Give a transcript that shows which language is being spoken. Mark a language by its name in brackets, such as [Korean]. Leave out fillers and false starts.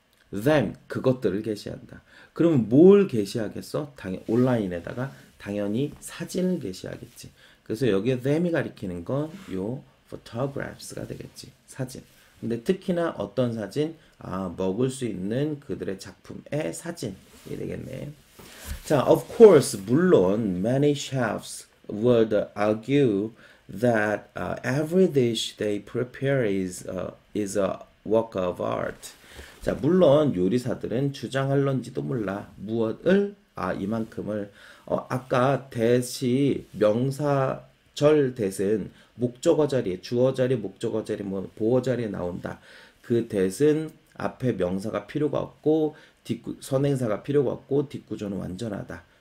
[Korean] them 그것들을 게시한다. 그러면 뭘 게시하겠어? 당연 온라인에다가 당연히 사진을 게시하겠지. 그래서 여기에 them이 가리키는 건요 photographs가 되겠지. 사진. 근데 특히나 어떤 사진? 아, 먹을 수 있는 그들의 작품의 사진이 되겠네. [English] 자, of course [Korean] 물론 [English] many chefs would argue that every dish they prepare is a work of art. [Korean] 자, 물론 요리사들은 주장할런지도 몰라. 무엇을? 아, 이만큼을. 아까 대시 명사 절 대신 목적어 자리에, 주어 자리, 목적어 자리, 뭐 보어 자리에 나온다. 그 대신 앞에 명사가 필요가 없고, 선행사가 필요가 없고, 뒷구조는 완전하다.